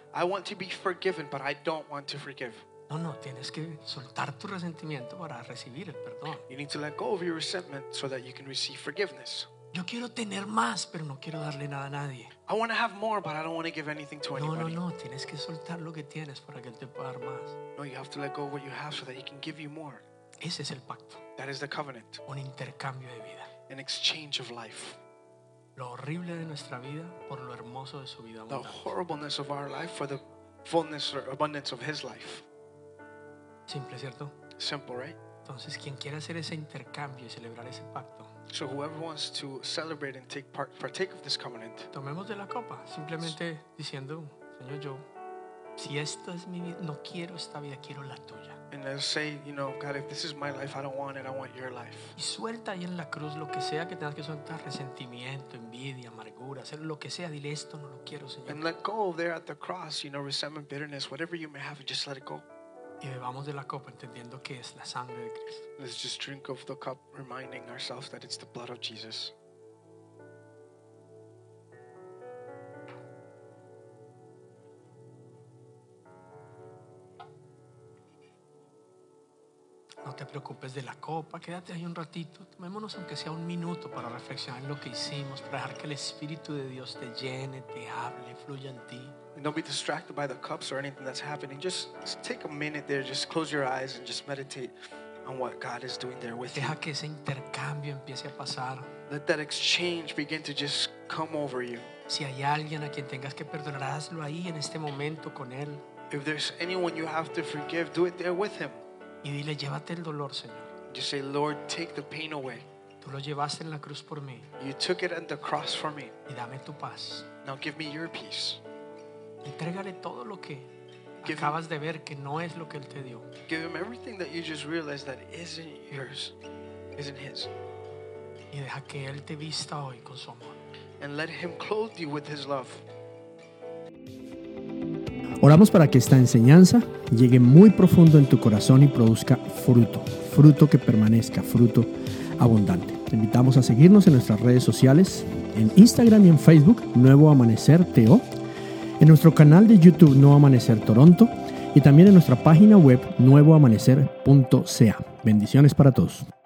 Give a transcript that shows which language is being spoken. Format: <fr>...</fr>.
<en>I want to be forgiven, but I don't want to forgive.</en> <es>No, no, tienes que soltar tu resentimiento para recibir el perdón.</es> <en>You need to let go of your resentment so that you can receive forgiveness.</en> <es>Yo quiero tener más, pero no quiero darle nada a nadie.</es> <en>I want to have more, but I don't want to give anything to anybody.</en> <es>No, no, no. Tienes que soltar lo que tienes para que él te pueda dar más.</es> <en>No, you have to let go of what you have so that he can give you more.</en> <es>Ese es el pacto.</es> <en>That is the covenant.</en> <es>Un intercambio de vida.</es> <en>An exchange of life.</en> <es>Lo horrible de nuestra vida por lo hermoso de su vida.</es> <en>The horribleness of our life for the fullness or abundance of his life.</en> <es>Simple, ¿cierto?</es> <en>Simple, right?</en> <es>Entonces, quien quiera hacer ese intercambio y celebrar ese pacto.</es> <en>So whoever wants to celebrate and take partake of this covenant.</en> <es>Tomemos de la copa, simplemente diciendo, Señor, yo, si esta es mi vida, no quiero esta vida, quiero la tuya.</es> <en>And let's say, you know, God, if this is my life, I don't want it. I want your life.</en> <es>Y suelta ahí en la cruz lo que sea que tengas que soltar, resentimiento, envidia, amargura, hacer lo que sea. Dile esto, no lo quiero, Señor.</es> <en>And let go there at the cross, you know, resentment, bitterness, whatever you may have, just let it go.</en> <es>Y bebamos de la copa, entendiendo que es la sangre de Cristo.</es> <en>Let's just drink of the cup, reminding ourselves that it's the blood of Jesus.</en> <es>No te preocupes de la copa, quédate ahí un ratito, tomémonos aunque sea un minuto para reflexionar en lo que hicimos, para dejar que el Espíritu de Dios te llene, te hable, fluya en ti.</es> <en>And don't be distracted by the cups or anything that's happening. Just take a minute there, just close your eyes and just meditate on what God is doing there with you.</en> <es>Deja</es> <en>him.</en> <es>Que ese intercambio empiece a pasar.</es> <en>Let that exchange begin to just come over you.</en> <es>Si hay alguien a quien tengas que perdonar, hazlo ahí en este momento con él.</es> <en>If there's anyone you have to forgive, do it there with him.</en> <es>Y dile, llévate el dolor, Señor.</es> <en>Just say, Lord, take the pain away.</en> <es>Tú lo llevaste en la cruz por mí.</es> <en>You took it at the cross for me.</en> <es>Y dame tu paz.</es> <en>Now give me your peace.</en> <es>Entrégale todo lo que acabas de ver que no es lo que él te dio.</es> <en>Give him everything that you just realized that isn't yours, isn't his.</en> <es>Y deja que él te vista hoy con su amor.</es> <en>And let him clothe you with his love.</en> <es>Oramos para que esta enseñanza llegue muy profundo en tu corazón y produzca fruto, fruto que permanezca, fruto abundante. Te invitamos a seguirnos en nuestras redes sociales, en Instagram y en Facebook, Nuevo Amanecer TO, en nuestro canal de YouTube, Nuevo Amanecer Toronto, y también en nuestra página web, nuevoamanecer.ca. Bendiciones para todos.</es>